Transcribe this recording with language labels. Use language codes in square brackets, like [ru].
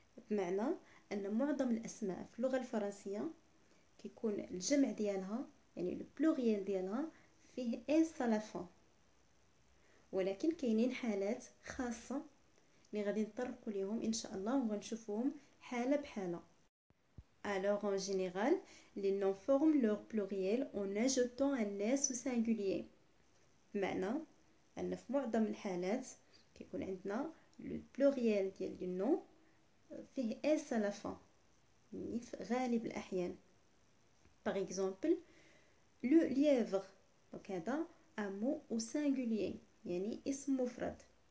[ar] بمعنى ان معظم الاسماء في اللغه الفرنسيه كيكون الجمع ديالها يعني لو بلوريال ديالها فيه اس على الفان، ولكن كاينين حالات خاصه اللي غادي نطرقوا ليهم ان شاء الله وغنشوفوهم حاله بحاله. [fr] alors en général les noms forment leur pluriel en ajoutant un s au singulier. [ar] بمعنى ان في معظم الحالات كيكون عندنا لو بلوريال ديال لي نون فيه اس على فان، يعني في غالب الاحيان. [fr] باغ اكزومبل لو ليفغ، [ar] دونك هذا امو او سانغولييه، يعني اسم مفرد.